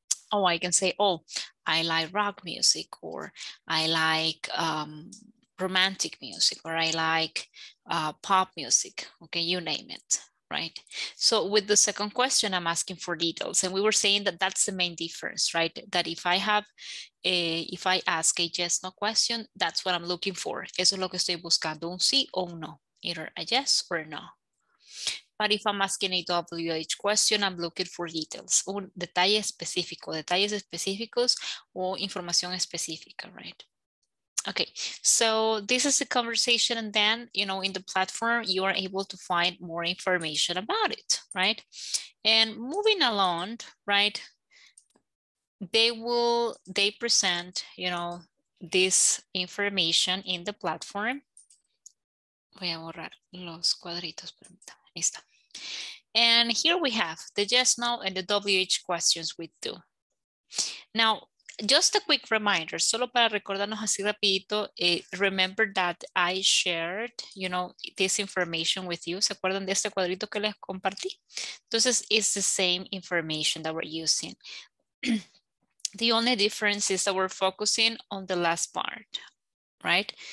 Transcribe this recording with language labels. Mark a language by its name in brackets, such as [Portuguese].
[English] Oh, I can say, oh, I like rock music, or I like romantic music, or I like pop music. Okay, you name it. Right. So with the second question, I'm asking for details. And we were saying that that's the main difference, right? That if I have a, if I ask a yes, no question, that's what I'm looking for. [Spanish] Eso es lo que estoy buscando, un sí o un no, [English] either a yes or a no. But if I'm asking a WH question, I'm looking for details, [Spanish] un detalle específico, detalles específicos o información específica, [English] right? Okay, so this is the conversation, and then, you know, in the platform, you are able to find more information about it, right? And moving along, right, they present, you know, this information in the platform. [Spanish] Voy a borrar los cuadritos. Ahí está. [English] And here we have the yes, no, and the WH questions we do. Now, just a quick reminder, [Spanish] solo para recordarnos así rapidito, [English] remember that I shared, you know, this information with you. [Spanish] ¿Se acuerdan de este cuadrito que les compartí? [English] Entonces, it's the same information that we're using. The only difference is that we're focusing on the last part, right?